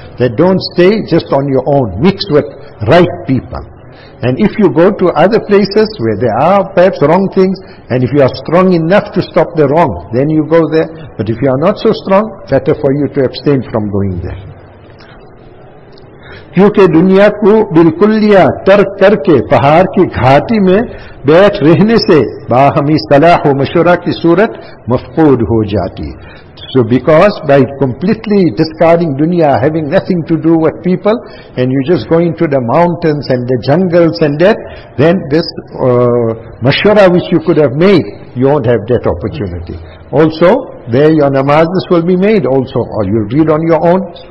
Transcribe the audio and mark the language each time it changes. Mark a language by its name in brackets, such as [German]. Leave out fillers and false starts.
[English] That don't stay just on your own, mix with right people. And if you go to other places where there are perhaps wrong things, and if you are strong enough to stop the wrong, then you go there. But if you are not so strong, better for you to abstain from going there. [Urdu] کیونکہ دنیا کو بالکلیہ ترک کر کے پہاڑ کی گھاٹی میں بیٹھ رہنے سے باہمی صلاح و مشورہ کی صورت مفقود ہو جاتی. [English] So because by completely discarding dunya, having nothing to do with people, and you just go into the mountains and the jungles and that, then this mashura which you could have made, you won't have that opportunity. Also, there your namazes will be made also, or you'll read on your own.